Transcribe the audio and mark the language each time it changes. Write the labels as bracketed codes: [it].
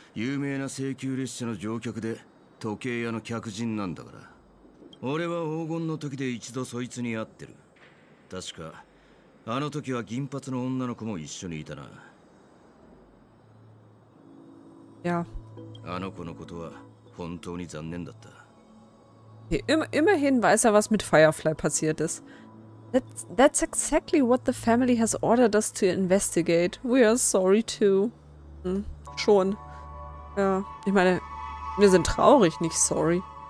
[ja] 有名な請求列車の乗客で時計屋の客人なんだから。俺は黄金の時で一度そいつに会ってる。確かあの時は銀髪の女の子も一緒にいたな。いや。あの子のことは本当に残念だった。 [de] Immerhin weiß er, was mit Firefly passiert ist. [en] That's exactly what the family has ordered us to investigate. We are sorry too. Hm, schon. [de] Ja, ich meine, wir sind traurig, nicht sorry.